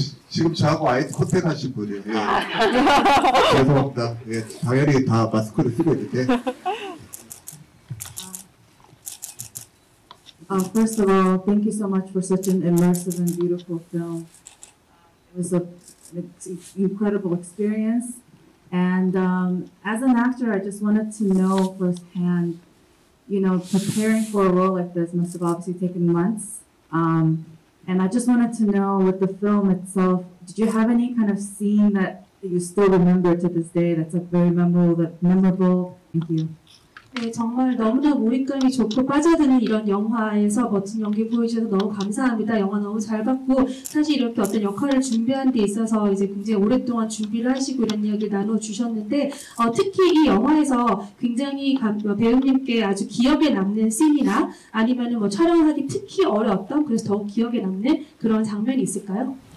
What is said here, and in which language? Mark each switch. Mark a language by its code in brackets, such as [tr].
[ko] 지금 저하고 아이스코텍 하신 분이에요. 예. 죄송합니다. 예, 당연히 다 마스크를 쓰고 있는데. [en] First of all, thank you so much for such an immersive and beautiful film. It was an incredible experience. And as an actor, I just wanted to know firsthand, preparing for a role like this must have obviously taken months. And I just wanted to know with the film itself, did you have any kind of scene that you still remember to this day that's like very memorable? Thank you. [ko] 네, 정말 너무나 몰입감이 좋고 빠져드는 이런 영화에서 멋진 연기 보여주셔서 너무 감사합니다. 영화 너무 잘 봤고 사실 이렇게 어떤 역할을 준비한 데 있어서 이제 굉장히 오랫동안 준비를 하시고 이런 이야기를 나눠주셨는데 특히 이 영화에서 굉장히 배우님께 아주 기억에 남는 씬이나 아니면 뭐 촬영하기 특히 어려웠던 그래서 더욱 기억에 남는 그런 장면이 있을까요?